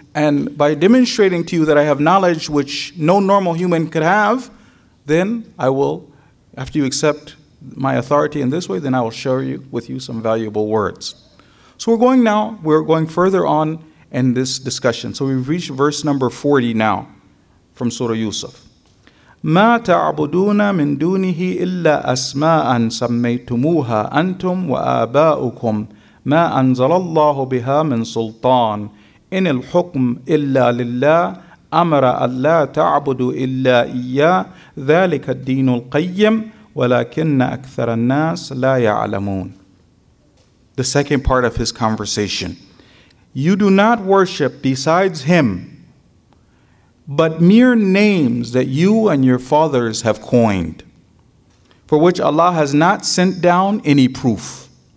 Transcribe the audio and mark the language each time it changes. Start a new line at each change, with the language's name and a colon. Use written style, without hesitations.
English: And by demonstrating to you that I have knowledge which no normal human could have, then I will, after you accept my authority in this way, then I will share you with you some valuable words. So we're going further on in this discussion. So we've reached verse number 40 now from Surah Yusuf.
Arabic: مَا تَعْبُدُونَ مِن دُونِهِ إِلَّا أَسْمَاءً سَمَّيْتُمُوهَا أَنْتُمْ وَآبَاؤُكُمْ مَا أَنْزَلَ اللَّهُ بِهَا مِنْ سُلْطَانٍ إن الحكم إلا لله أمر ألا تعبدوا إلا إياه ذلك الدين القيم ولكن أكثر الناس لا يعلمون.
English: The second part of his conversation. You do not worship besides him, but mere names that you and your fathers have coined, for which Allah has not sent down any proof.